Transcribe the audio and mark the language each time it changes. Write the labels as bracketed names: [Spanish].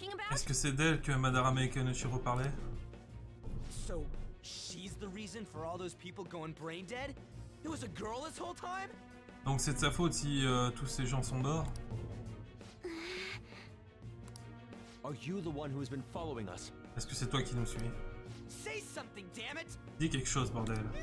[French] Est-ce que c'est d'elle que Madarame et Kaneshiro parlaient? [English] So, she's the reason for all those people going brain dead? It was a girl this whole time? [French] Donc c'est de sa faute si tous ces gens sont morts? [English] Are you the one who has been following us? [French] Est-ce que c'est toi qui nous suis? [English] Say something, damn it! [French] Dis quelque chose, bordel.